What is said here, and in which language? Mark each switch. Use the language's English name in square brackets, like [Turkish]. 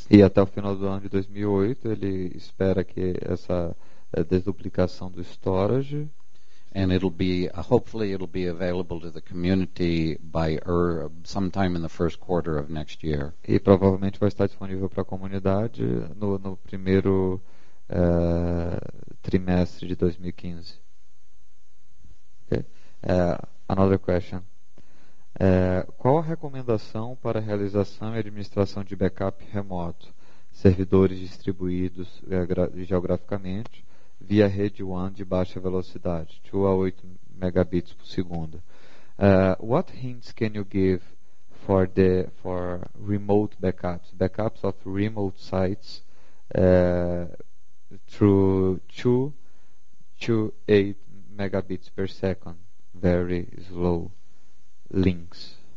[Portuguese] E até o final do ano de 2008, ele espera que essa desduplicação do storage, [English] and it'll be hopefully it'll be available to the community by sometime in the first quarter of next year. [Portuguese] E provavelmente vai estar disponível para a comunidade no primeiro trimestre de 2015. [English] Okay. Another question. [Portuguese] Qual a recomendação para a realização e administração de backup remoto, servidores distribuídos geograficamente via rede WAN de baixa velocidade, 2 a 8 megabits por segundo? [English] What hints can you give for remote backups of remote sites through 2 to 8 megabits per second, very slow links?